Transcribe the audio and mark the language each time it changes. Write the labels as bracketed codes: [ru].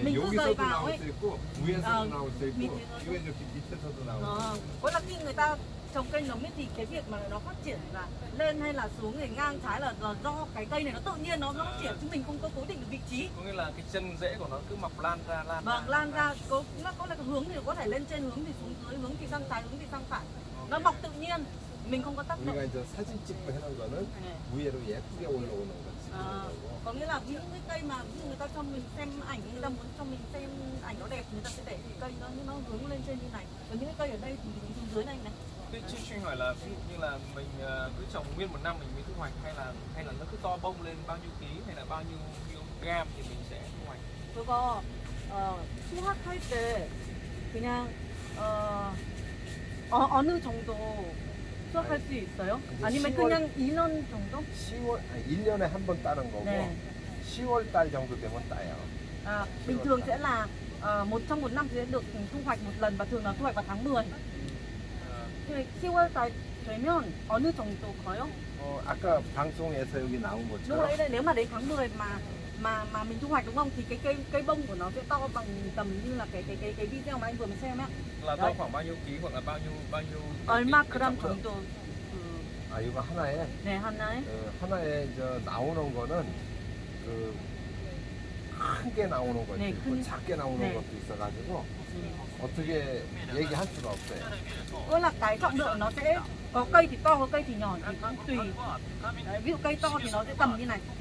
[ko] 여기서도 나올 수 있고 위에서도 나올 수 있고 이거 이렇게 밑에서도 나올 수 있고. 그거는 [vi] khi người ta trồng cây nấm thì cái việc mà nó phát triển là lên hay là xuống hay ngang trái là do cái cây này nó tự nhiên nó phát triển chứ mình không có cố định được vị trí. Có nghĩa là cái chân rễ của nó cứ mọc lan ra lan. Vâng, lan ra có là cái hướng thì có thể lên trên hướng thì xuống dưới hướng thì sang trái hướng thì sang phải. Nó mọc tự nhiên. Mình không có tác động. [ko] 이제 사진 찍고 해 놓은 거는 위에로 예쁘게 올라오는 거. [vi] Có nghĩa là những cái cây mà người ta cho mình xem ảnh, người ta muốn cho mình xem ảnh nó đẹp, người ta sẽ để cây nó hướng lên trên như này. Còn những cái cây ở đây thì mình xuống dưới này này. Thế chị Trinh hỏi là ví dụ như là mình cứ trồng nguyên một năm mình mới thu hoạch hay là nó cứ to bông lên bao nhiêu ký hay là bao nhiêu gram thì mình sẽ thu hoạch? Tôi có thu hoạch hay thế, thì nha, ở nơi trồng đồ [ko] 수확할 수 있어요? 아니면 10월, 그냥 1년 정도? 10월, 1년에 한 번 따는 거고 네. 10월 달 정도 되면 따요. 아, 보통 [vi] thường sẽ là 1 năm sẽ được thu hoạch một lần và thường là thu hoạch vào tháng 10. [ko] 10월 달 되면 어느 정도 커요? 어 아까 방송에서 여기 나온 거죠. 누가 이래? 내가 말해 강도에 [vi] mà mình thu hoạch đúng không thì cái bông của nó sẽ to bằng tầm như là cái video mà anh vừa mới xem á. Là to khoảng bao nhiêu ký hoặc là bao nhiêu [ko] 얼마 그램 정도. 아 이거 하나에 네 하나에 하나에 저 나오는 거는 그 큰 게 나오는 거 있고 네, 작게 나오는 네. 것도 있어가지고 어떻게 얘기할 수가 없어요. 그러나 [vi] cái trọng lượng nó sẽ có cây thì to có cây thì nhỏ thì cũng tùy. Ví dụ cây to thì nó sẽ tầm như này.